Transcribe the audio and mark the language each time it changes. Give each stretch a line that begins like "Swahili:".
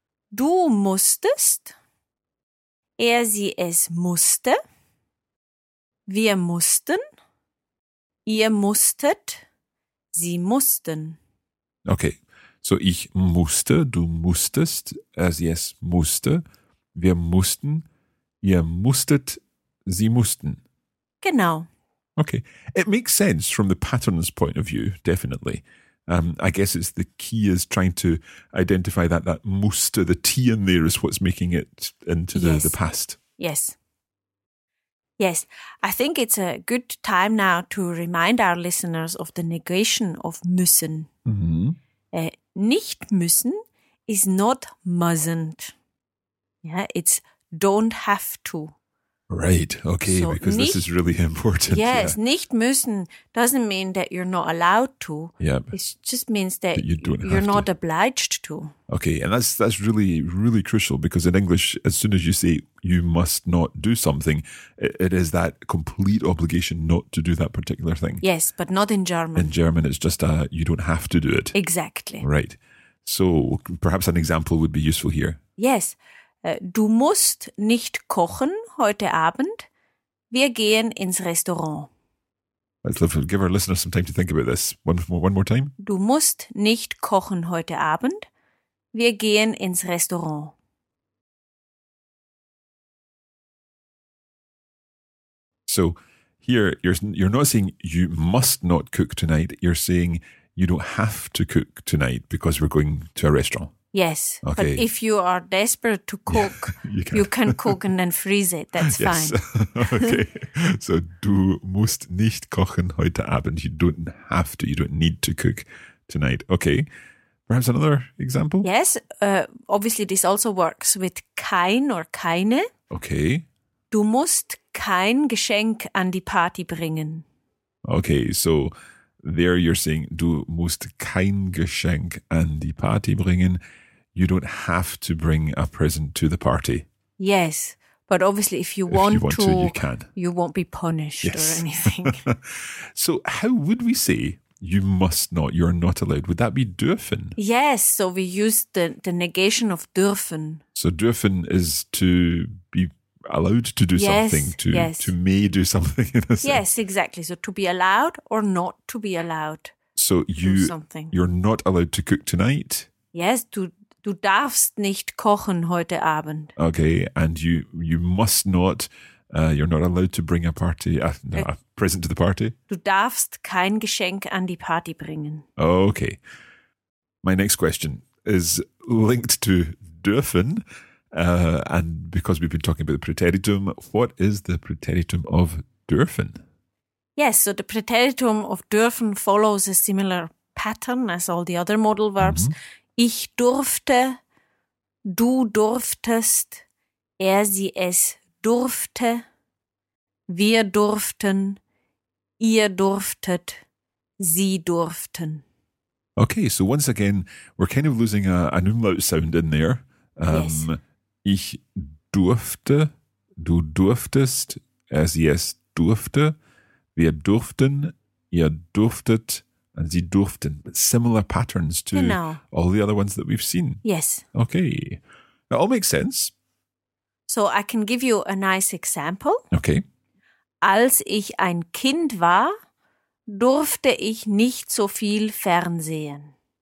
German: Du musstest, er, sie, es musste, wir mussten, ihr musstet, sie mussten.
English: Okay, so
German: ich musste, du musstest, er, sie, es musste, wir mussten, ihr musstet, sie mussten. Genau.
English: Okay, it makes sense from the pattern's point of view, definitely. I guess it's the key is trying to identify that muster, the T in there is what's making it into the past. Yes. Yes. I think it's a good time now to remind our listeners of the negation of müssen. Mm-hmm.
German: Nicht müssen
English: is not mustn't. Yeah, it's don't have to. Right, okay, so because nicht, this is really important. Yes, yeah.
German: Nicht müssen
English: doesn't mean that you're not allowed to. Yeah. It just means that you're not obliged to. Okay, and that's really, really crucial because in English, as soon as you say you must not do something, it is that complete obligation not to do that particular thing. Yes, but not in German. In German, it's just you don't have to do it. Exactly. Right. So perhaps an example would be useful here. Yes.
German: Du musst nicht kochen heute Abend. Wir gehen ins Restaurant.
English: Let's give our listeners some time to think about this. One more time.
German: Du musst nicht kochen heute Abend. Wir gehen ins Restaurant.
English: So here you're not saying you must not cook tonight. You're saying you don't have to cook tonight because we're going to a restaurant. Yes, okay. But if you are desperate to cook, you can cook and then freeze it. That's fine. Okay.
German: So du musst nicht kochen heute Abend.
English: You don't have to. You don't need to cook tonight. Okay. Perhaps another example? Yes. Obviously, this also works with kein or keine. Okay.
German: Du musst kein Geschenk an die Party bringen.
English: Okay. So there you're saying,
German: du musst kein Geschenk an die Party bringen.
English: You don't have to bring a present to the party. Yes, but obviously if you want to, you can. You won't be punished or anything. So how would we say, you must not, you're not allowed? Would that be dürfen? Yes, so we use the negation of dürfen. So dürfen is to be allowed to do something, to may do something. Yes, exactly. So to be allowed or not to be allowed. So you're not allowed to cook tonight.
German: Yes, du darfst nicht kochen heute Abend.
English: Okay, and you must not You're not allowed to bring a party, a present to the party.
German: Du darfst kein Geschenk an die Party bringen.
English: Okay. My next question is linked to dürfen. And because we've been talking about the preteritum, what is the preteritum of dürfen? Yes, so the preteritum of dürfen follows a similar pattern as all the other modal verbs. Mm-hmm.
German: Ich durfte, du durftest, er, sie, es durfte, wir durften, ihr durftet, sie durften.
English: Okay, so once again, we're kind of losing an umlaut sound in there. Yes.
German: Ich durfte, du durftest, er, sie, es durfte, wir durften, ihr durftet, and sie durften.
English: But similar patterns to all the other ones that we've seen. Yes. Okay. That all makes sense. So I can give you a nice example. Okay.
German: Als ich ein Kind war, durfte ich nicht so viel fernsehen.